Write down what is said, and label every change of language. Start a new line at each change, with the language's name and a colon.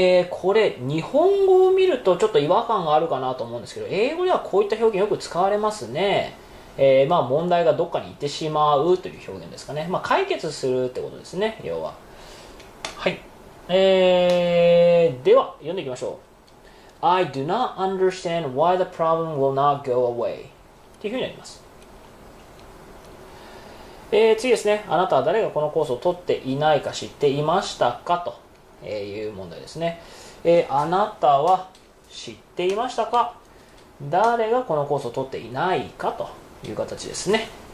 Japanese: これ、日本語を見るとちょっと違和感があるかなと思うんですけど、英語ではこういった表現よく使われますね。まあ、問題がどっかに行ってしまうという表現ですかね。まあ、解決するってことですね。要は。はい。では、読んでいきましょう。
English: I do not understand why the problem will not go away.
Japanese: っていうふうになります。次ですね。あなたは誰がこのコースを取っていないか知っていましたかという問題ですね。あなたは知っていましたか、誰がこのコースを取っていないかという形ですね。